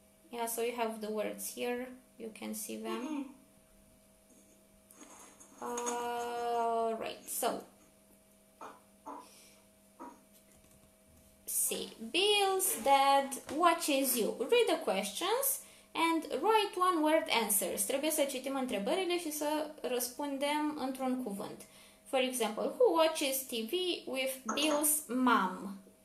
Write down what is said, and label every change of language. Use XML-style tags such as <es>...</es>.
<en>Yeah, so you have the words here. You can see them. Mm-hmm. All right. So, see, Bill's dad watches you. Read the questions and write one word answers.</en> <ro>Trebuie să citim întrebările și să răspundem într-un cuvânt.</ro> <en>For example, who watches TV with Bill's mom?</en>